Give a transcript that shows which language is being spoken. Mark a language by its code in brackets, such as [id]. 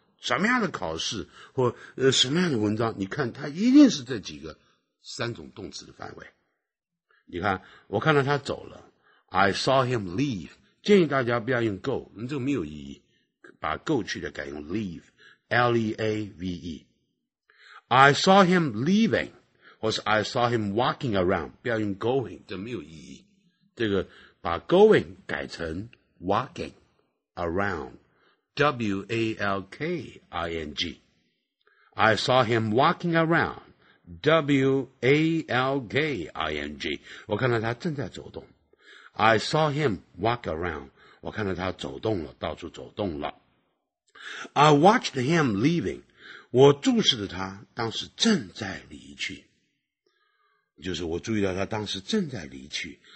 [zh] 什么样的考试或什么样的文章，你看它一定是这几个三种动词的范围。你看我看到他走了， [en] I saw him leave， [zh] 建议大家不要用 go， 这个没有意义，把 go 去的改用 leave， L-E-A-V-E。 [en] I saw him leaving, [zh] 或是 [en] I saw him walking around, [zh] 不要用 [en] going, [zh] 这没有意义。这个把 going 改成 walking around, W-A-L-K-I-N-G. [en] I saw him walking around, W-A-L-K-I-N-G. [zh] 我看到他正在走动。 [en] I saw him walk around, [zh] 我看到他走动了，到处走动了。 [en] I watched him leaving, [zh] 我注视着他当时正在离去，就是我注意到他当时正在离去。